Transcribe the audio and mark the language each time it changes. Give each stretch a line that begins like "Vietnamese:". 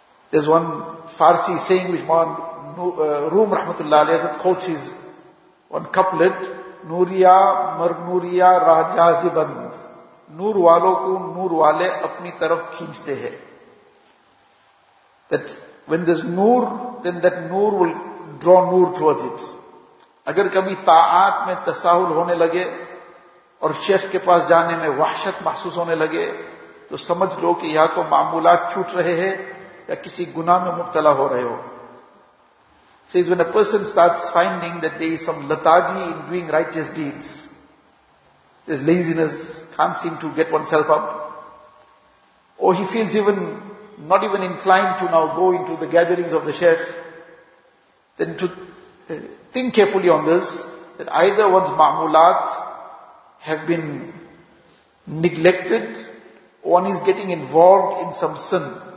English: There's one Farsi saying which Rum Rahmatullah Alayhi Hazrat quotes, his one couplet,
Persian: Nuriya mar nuriya rajaziband,
Urdu: noor walo ko noor wale apni taraf khinchte hai.
English: That when there's noor, then that noor will draw noor towards it.
Urdu: Agar kabhi ta'at mein tasahul hone lage اور شیخ کے پاس جانے میں وحشت محسوس ہونے لگے, تو سمجھ لو کہ یا تو معمولات چھوٹ رہے ہیں یا کسی گناہ میں مبتلا ہو رہے ہو.
English: Says when a person starts finding that there is some lethargy in doing righteous deeds, there's laziness, can't seem to get oneself up, or he feels even not even inclined to now go into the gatherings of the sheikh, then to think carefully on this, that either one's ma'mulat have been neglected, one is getting involved in some sin,